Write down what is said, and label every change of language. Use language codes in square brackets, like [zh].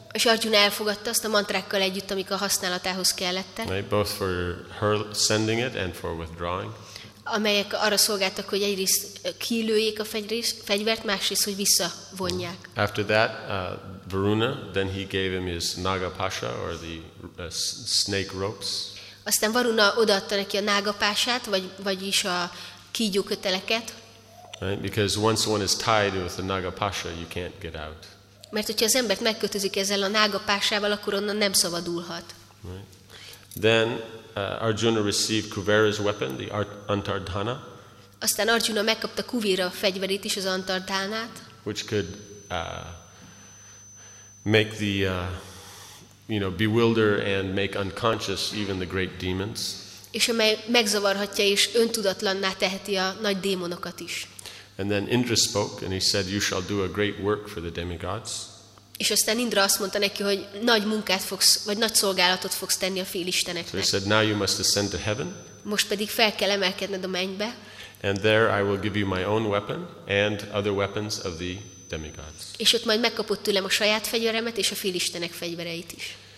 [hu] És Arjuna elfogadta azt a mantrákkal együtt, amik a használatához kellettek. [en] Right, both for her sending it and for withdrawing. [hu] Amelyek arra szolgáltak, hogy egyrészt kilőjék a fegyvert, másrészt, hogy visszavonják. [en] After that, Varuna, then he gave him his nagapasha, or the snake ropes. [hu] Aztán Varuna odaadta neki a nágapását, vagyis a kígyóköteleket. [en] Right? Because once one is tied with the nagapasha, you can't get out. [hu] Mert hogyha az embert megkötözik ezzel a nágapásával, akkor onnan nem szabadulhat. [en] Right. Then Arjuna received Kuvera's weapon, the Antardhana. [hu] Aztán Arjuna megkapta Kuvera fegyverét is, az Antardhanát. [en] Which could make the bewilder and make unconscious even the great demons. [hu] És amely megzavarhatja és öntudatlanná teheti a nagy démonokat is. [en] And then Indra spoke and he said, "You shall do a great work for the demigods." [hu] És aztán Indra azt mondta neki, hogy nagy munkát fogsz, vagy nagy szolgálatot fogsz tenni a félisteneknek. [en] So he said, "Now you must ascend to heaven." [hu] Most pedig fel kell emelkedned a mennybe. [en] And there I will give you my own weapon and other weapons of the demigods. [hu] És ott majd megkapott tőlem a saját fegyveremet és a félistenek fegyvereit is.